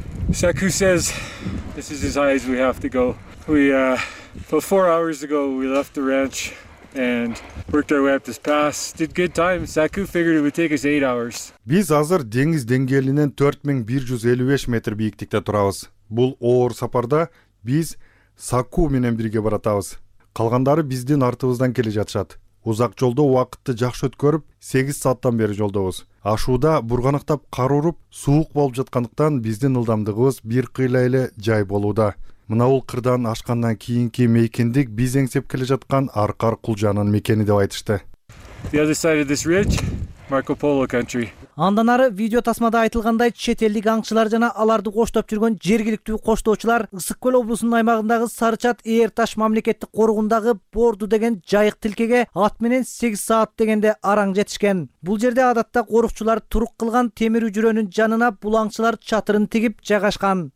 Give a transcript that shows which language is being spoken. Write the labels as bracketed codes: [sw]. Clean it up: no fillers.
[en] Seku says this is as high as we have to go. We, about 4 hours ago, we left the ranch and worked our way up this pass. Did good time. Seku figured it would take us 8 hours. [ky] Биз азыр деңиз деңгээлинен 4155 метр бийиктикте турабыз. Бул оор сапарда биз Саку менен бирге баратабыз. Калгандары биздин артыбыздан келе жатышат. Узак жолдо убакытты жакшы өткөрүп, 8 сааттан бери жолдобуз. Ашууда бурганыктап кар ууруп, суук болуп жаткандыктан биздин ылдамдыгыбыз бир кыйла эле жай болууда. Мына ул кырдан ашкандан кийинки мекендик биз эңсеп келе жаткан Аркар Кулжанын мекени деп айтышты. [en] The other side of this ridge, Marco Polo country. [ky] Андан ары видео тасмада айтылгандай чет элдик аңчылар жана аларды коштоп жүргөн жергиликтүү коштоочулар Ысык Көл облусунун аймагындагы Сарычат Эрташ мамлекеттик коргуундагы Борду деген жайык тилкеге ат менен 8 саат дегенде араң жетишкен. Бул жерде адатта корукчулар турук кылган темир үжүрөнүн жанына бул аңчылар чатырын тигип жайгашкан.